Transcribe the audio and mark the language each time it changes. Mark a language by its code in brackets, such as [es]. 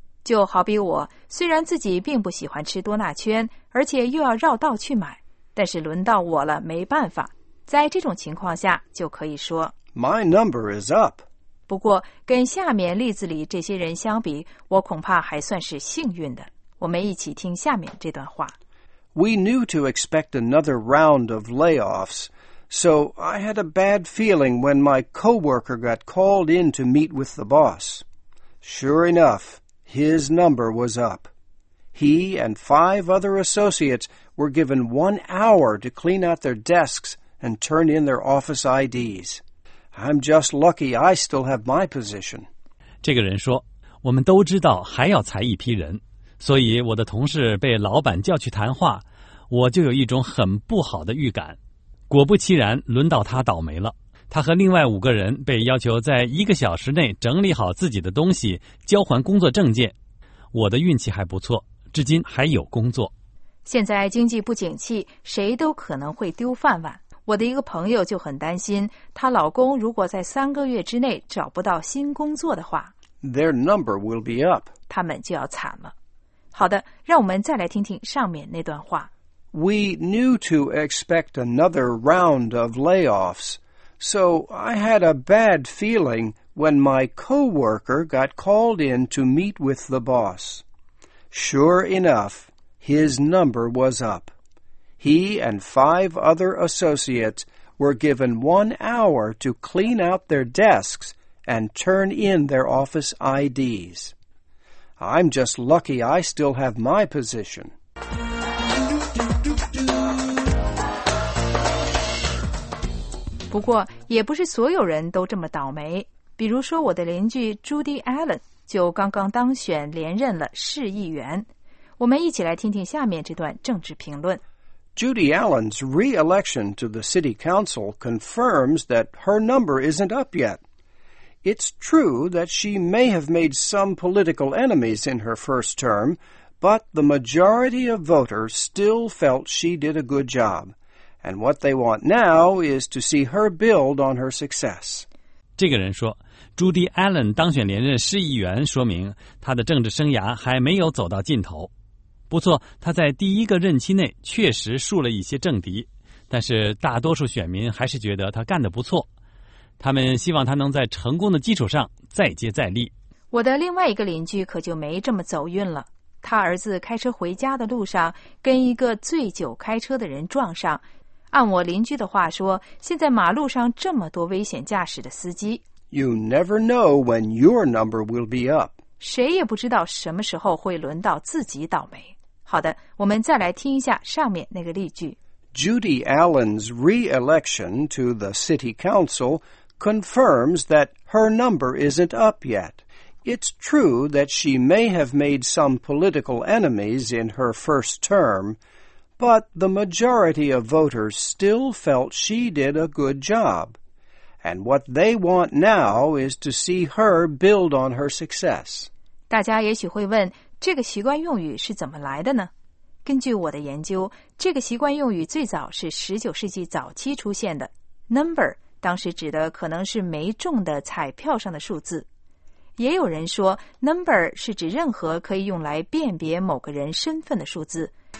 [zh] 就好比我虽然自己并不喜欢吃多纳圈，而且又要绕道去买，但是轮到我了，没办法。在这种情况下就可以说 [en] My number is up。 [zh] 不过跟下面例子里这些人相比，我恐怕还算是幸运的。我们一起听下面这段话。 [en] We knew to expect another round of layoffs, so I had a bad feeling when my coworker got called in to meet with the boss. Sure enough, his number was up. He and five other associates were given 1 hour to clean out their desks and turn in their office IDs. I'm just lucky I still have my position. [zh] 这个人说，我们都知道还要裁一批人，所以我的同事被老板叫去谈话，我就有一种很不好的预感。果不其然，轮到他倒霉了。他和另外五个人被要求在一个小时内整理好自己的东西，交还工作证件。我的运气还不错，至今还有工作。现在经济不景气，谁都可能会丢饭碗。我的一个朋友就很担心，她老公如果在3个月之内找不到新工作的话 [en] ，Their number will be up， [zh] 他们就要惨了。好的，让我们再来听听上面那段话。 [en] We knew to expect another round of layoffs, so I had a bad feeling when my coworker got called in to meet with the boss. Sure enough, his number was up. He and five other associates were given 1 hour to clean out their desks and turn in their office IDs. I'm just lucky I still have my position. [zh] 不过也不是所有人都这么倒霉。比如说我的邻居 Judy Allen 就刚刚当选连任了市议员。我们一起来听听下面这段政治评论。 [en] Judy Allen's re-election to the city council confirms that her number isn't up yet. It's true that she may have made some political enemies in her first term, but the majority of voters still felt she did a good job. And what they want now is to see her build on her success. [zh] 这个人说， Judy Allen 当选连任市议员说明她的政治生涯还没有走到尽头。不错，他在第一个任期内确实树了一些政敌，但是大多数选民还是觉得他干得不错。他们希望他能在成功的基础上再接再厉。我的另外一个邻居可就没这么走运了。他儿子开车回家的路上跟一个醉酒开车的人撞上。按我邻居的话说，现在马路上这么多危险驾驶的司机。 [en] You never know when your number will be up. [zh] 谁也不知道什么时候会轮到自己倒霉。好的，我们再来听一下上面那个例句。 [en] Judy Allen's re-election to the city council confirms that her number isn't up yet. It's true that she may have made some political enemies in her first term, but the majority of voters still felt she did a good job. And what they want now is to see her build on her success. [zh] 大家也许会问，这个习惯用语是怎么来的呢？根据我的研究，这个习惯用语最早是19世纪早期出现的。 Number 当时指的可能是没中的彩票上的数字。也有人说 ，Number 是指任何可以用来辨别某个人身份的数字。